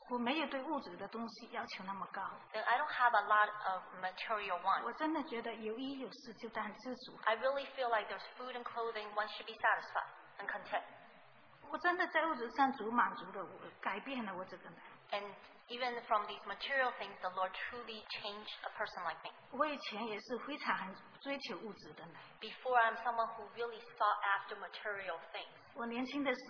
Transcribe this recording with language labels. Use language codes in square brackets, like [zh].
[zh] 我没有对物质的东西要求那么高。 [en] Then I don't have a lot of material wants. [zh] 我真的觉得有衣有食就当知足。 [en] I really feel like there's food and clothing, one should be satisfied and content. [zh] 我真的在物质上主满足了我，改变了我这个人。 [en] And even from these material things, the Lord truly changed a person like me. [zh] 我以前也是非常追求物质的人。 [en] Before I'm someone who really sought after material things.